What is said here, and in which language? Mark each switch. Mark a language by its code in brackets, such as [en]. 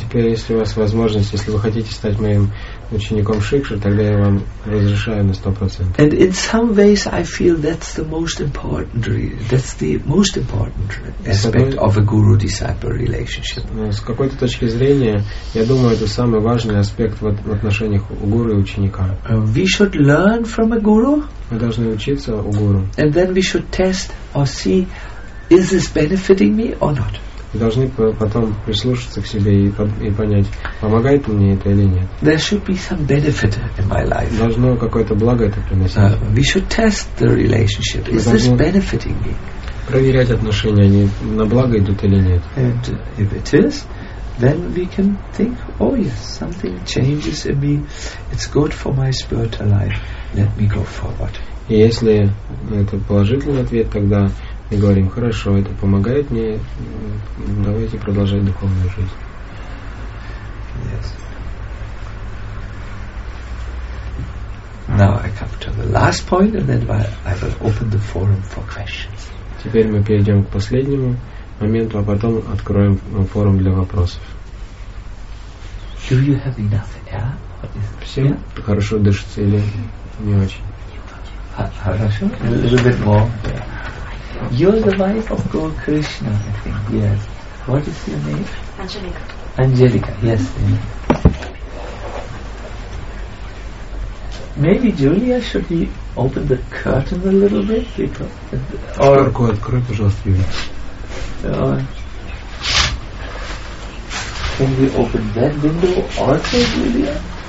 [ru] Теперь, если у вас возможность, если вы хотите стать моим учеником шикши, тогда я вам разрешаю на 100%. [en] And in some ways, I feel that's the most important. That's the most important aspect of a guru-disciple relationship. [ru] С какой-то точки зрения, я думаю, это самый важный аспект в отношениях гуру и ученика. [en] We should learn from a guru. [ru] Мы должны учиться у гуру. [en] And then we should test or see, is this benefiting me or not? [ru] Должны потом прислушаться к себе и понять, помогает мне это или нет. [en] There should be some benefit in my life. [ru] Должно какое-то благо это приносить. [en] We should test the relationship. Is this benefiting me? [ru] Проверять отношения, они на благо идут или нет. [en] And if it is, then we can think, oh yes, something changes in me. It's good for my spiritual life. Let me go forward. [ru] И если это положительный ответ, тогда мы говорим, хорошо, это помогает мне, давайте продолжать духовную жизнь. [en] Yes. Now I come to the last point, and then I will open the forum for questions. [ru] Теперь мы перейдем к последнему моменту, а потом откроем форум для вопросов. [en] Do you have enough air? [ru] Всем хорошо дышится или не очень? Хорошо? [en] A little bit more. You're the wife of Guru Krishna, I think. Yes. What is your name? Angelica. Angelica, yes. Mm-hmm. Maybe Julia should be open the curtain a little bit because [ru] открой, пожалуйста, Юлия. [en] Can we open that window also, Julia?